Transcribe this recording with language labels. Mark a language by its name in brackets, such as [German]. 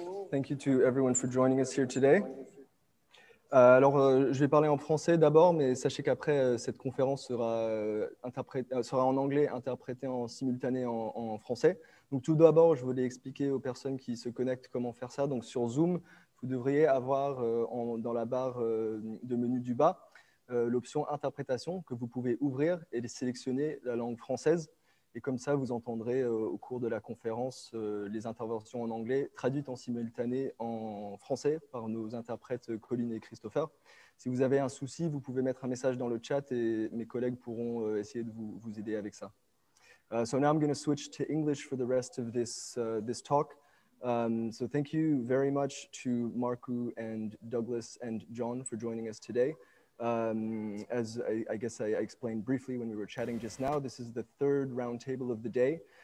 [English] thank you to everyone for joining us here today. [French] Alors, je vais parler en français d'abord, mais sachez qu'après, cette conférence sera en anglais, interprétée en simultané en français. Donc, tout d'abord, je voulais expliquer aux personnes qui se connectent comment faire ça. Donc, sur Zoom, vous devriez avoir dans la barre de menu du bas l'option interprétation que vous pouvez ouvrir et sélectionner la langue française. Et comme ça, vous entendrez au cours de la conférence les interventions en anglais traduites en simultané en français par nos interprètes Colin et Christopher. Si vous avez un souci, vous pouvez mettre un message dans le chat et mes collègues pourront essayer de vous aider avec ça. [English] So now I'm going to switch to English for the rest of this talk. So thank you very much to Marku and Douglas and John for joining us today. As I guess I explained briefly when we were chatting just now, this is the third roundtable of the day.